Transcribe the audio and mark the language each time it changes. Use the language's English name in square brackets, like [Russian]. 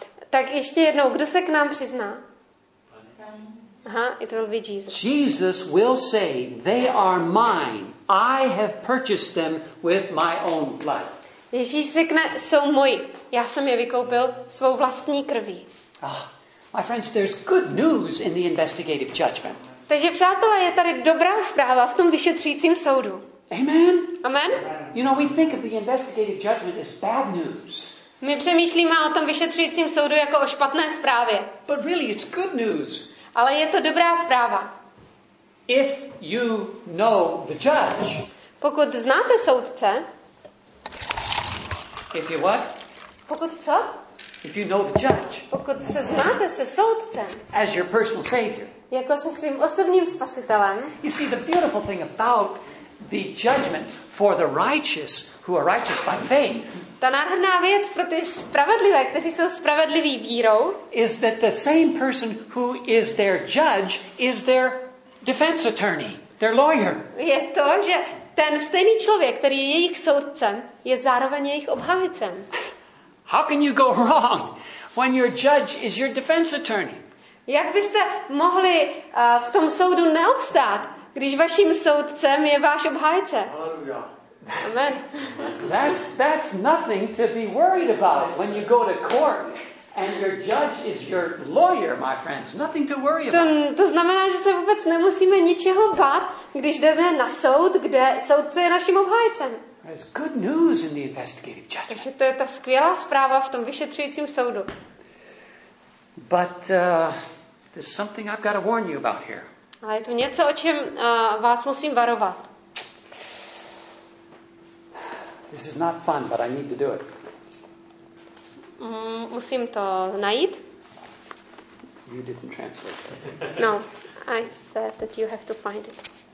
[Czech] Tak ještě jednou, kdo se k nám přizná? [English] It will be Jesus. Jesus will say, they are mine. I have purchased them with my own blood. [Czech] Ježíš řekne, jsou moji. Já jsem je vykoupil svou vlastní krví. [English] Oh, my friends, there's good news in the investigative judgment. [Czech] Takže přátelé, je tady dobrá zpráva v tom vyšetřujícím soudu. Amen. Amen. [English] You know, we think of the investigative judgment as bad news. [Czech] My přemýšlíme o tom vyšetřujícím soudu jako o špatné zprávě. [English] But really, it's good news. [Czech] Ale je to dobrá zpráva. [English] If you know the judge, [Czech] pokud znáte soudce, [English] if you what? [Czech] Pokud co? [English] If you know the judge, [Czech] pokud se znáte se soudcem, [English] as your personal savior, [Czech] jako se svým osobním spasitelem, [English] you see the beautiful thing about the judgment for the righteous who are righteous by faith. [Czech] Ta nádherná věc pro ty spravedlivé, kteří jsou spravedliví vírou, [English] is that the same person who is their judge is their defense attorney, their lawyer. [Czech] Je to, že ten stejný člověk, který je jejich soudcem, je zároveň jejich obhájcem. [English] How can you go wrong when your judge is your defense attorney? [Czech] Jak byste mohli v tom soudu neobstát, když vaším soudcem je váš obhájce? Hallelujah. Amen. [English] That's nothing to be worried about when you go to court and your judge is your lawyer, my friends. Nothing to worry about. [Czech] To znamená, že se vůbec nemusíme ničeho bát, když jdeme na soud, kde soudce je naším obhájcem. [English] That's good news in the investigative judgment. [Czech] Takže to je ta skvělá zpráva v tom vyšetřujícím soudu. [English] But there's something I've got to warn you about here. [Czech] Ale je tu něco, o čem vás musím varovat. [English] This is not fun, but I need to do it. [Czech] Musím to najít. [English] You didn't translate. No, I said that you have to find it.